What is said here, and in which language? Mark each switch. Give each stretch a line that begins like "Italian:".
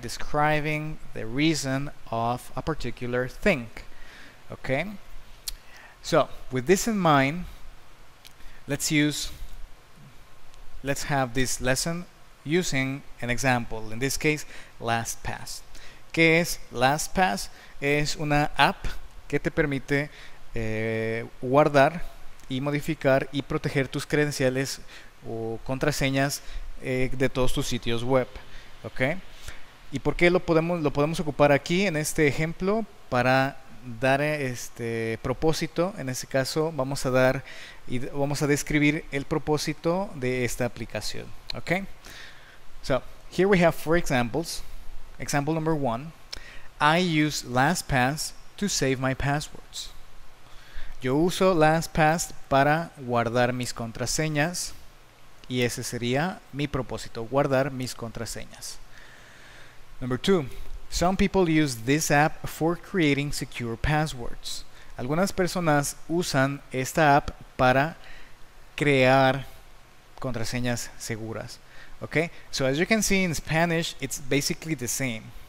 English: Describing the reason of a particular thing. Okay? So with this in mind, let's have this lesson using an example, in this case LastPass.
Spanish: ¿Qué es LastPass? Es una app que te permite guardar y modificar y proteger tus credenciales o contraseñas de todos tus sitios web. Okay. ¿Y por qué lo podemos ocupar aquí en este ejemplo? Para dar este propósito. En este caso vamos a describir el propósito de esta aplicación. Okay.
English: So, here we have four examples. Example number one, I use LastPass to save my passwords.
Spanish: Yo uso LastPass para guardar mis contraseñas y ese sería mi propósito, guardar mis contraseñas.
English: Number two, some people use this app for creating secure passwords.
Spanish: Algunas personas usan esta app para crear contraseñas seguras.
English: Okay, so as you can see in Spanish, it's basically the same.